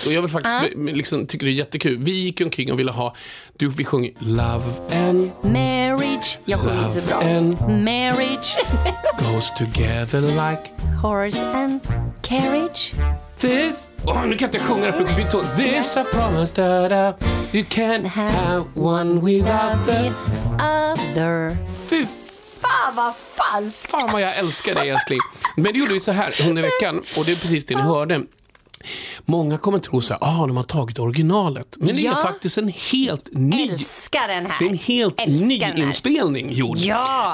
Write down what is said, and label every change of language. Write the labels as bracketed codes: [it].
[sv] Och jag vill faktiskt, liksom, tycker det är jättekul. Vi gick omkring och ville ha, vi sjunger [en] Love and Marriage. [sv] Jag sjunger [en] love [sv] så bra. [en] Love and Marriage goes together like horse and carriage. This, [sv] nu kan jag inte sjunga det för att byta. [en] This I promised that you can't have one without the other. [sv] Fy fan vad falskt. Fan vad jag älskar dig, älskling. Men det gjorde vi så här under veckan. Och det är precis det ni hörde. Många kommer tro så här, de har tagit originalet. Men det är faktiskt en helt ny. Älskar den här. Det är en helt ny inspelning gjord. Ja.